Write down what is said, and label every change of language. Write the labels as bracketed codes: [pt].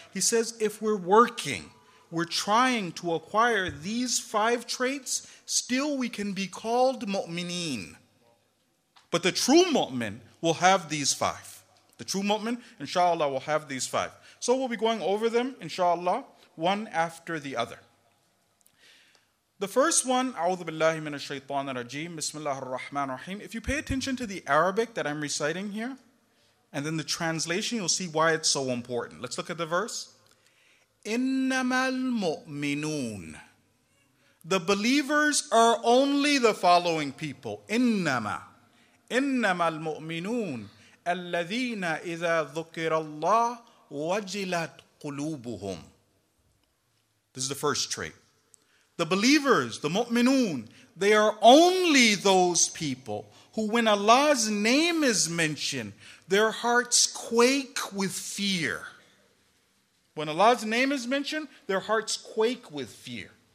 [en] He says, if we're working, we're trying to acquire these five traits, still we can be called mu'mineen. But the true mu'min will have these five. The true mu'min, inshallah, will have these five. So we'll be going over them, inshallah, one after the other. [ar] The first one, أعوذ بالله من الشيطان الرجيم, بسم الله الرحمن الرحيم. [en] If you pay attention to the Arabic that I'm reciting here, and then the translation, you'll see why it's so important. Let's look at the verse. إِنَّمَا الْمُؤْمِنُونَ The believers are only the following people. [ar] إِنَّمَا الْمُؤْمِنُونَ الَّذِينَ إِذَا ذُكِرَ اللَّهُ وَجِلَتْ قُلُوبُهُمْ This is the first trait. [en] The believers, the mu'minun, they are only those people who when Allah's name is mentioned, their hearts quake with fear. When Allah's name is mentioned, their hearts quake with fear.